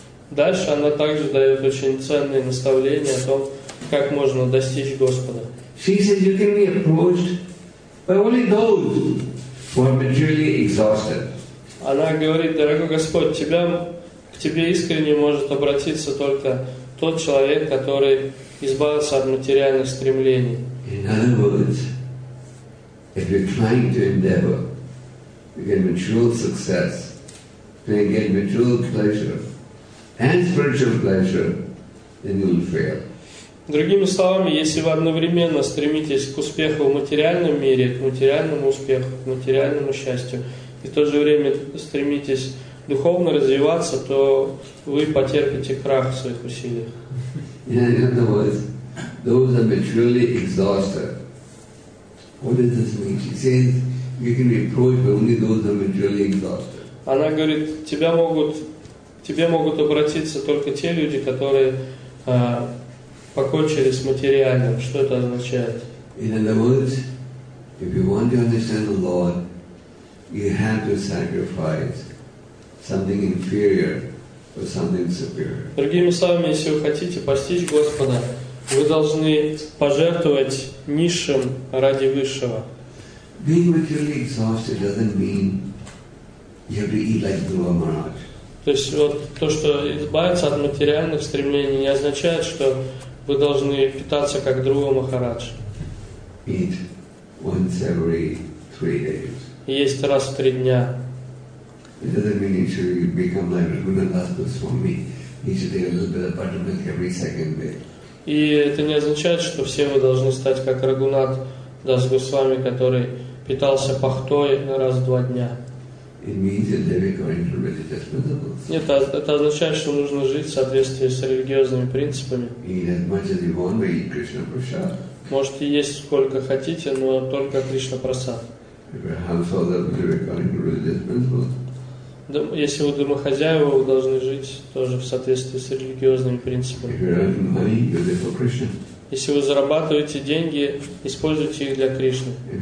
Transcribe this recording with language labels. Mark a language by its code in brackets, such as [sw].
[ru] Дальше она также дает очень ценные наставления о том, как можно достичь Господа. [en] She says you can be approached by only those who are materially exhausted. [ru] Она говорит, дорогой Господь, к Тебе искренне может обратиться только тот человек, который избавился от материальных стремлений. [en] In other words, if you're trying to endeavor to get material success, to get material pleasure and spiritual pleasure, then you'll fail. [ru] Другими словами, если вы одновременно стремитесь к успеху в материальном мире, к материальному успеху, к материальному счастью, и в то же время стремитесь духовно развиваться, то вы потерпите крах в своих усилиях. [en] Yeah, in other words, those are materially exhausted. What does this mean? She says you can be approached by only those who are materially exhausted. [ru] Она говорит, к тебе могут обратиться только те люди, которые покончили с материальным. Что это означает? [en] In other words, if you want to understand the Lord, you have to sacrifice something inferior for something superior. [ru] Другими словами, если вы хотите постичь Господа, вы должны пожертвовать низшим ради высшего. [en] Being materially exhausted doesn't mean you have to eat like Guru Maharaj. [ru] То есть вот то, что избавиться от материальных стремлений, не означает, что вы должны питаться как Друга Махарадж. [en] Eat once every 3 days. [ru] Есть раз в 3 дня. [en] It doesn't mean you should become like Raghuna Das Goswami. You should eat a little bit of buttermilk every second day. [ru] И это не означает, что все вы должны стать как Рагунат Дас Госвами, который питался пахтой раз в два дня. [en] It means that they're according to religious principles. [ru] Нет, это означает, что нужно жить в соответствии с религиозными принципами. [en] Eat as much as you want, but eat Krishna prasad. [ru] Можете есть сколько хотите, но только Кришна прасад. Если вы домохозяева, вы должны жить тоже в соответствии с религиозными принципами. Если вы зарабатываете деньги, используйте их для Кришны.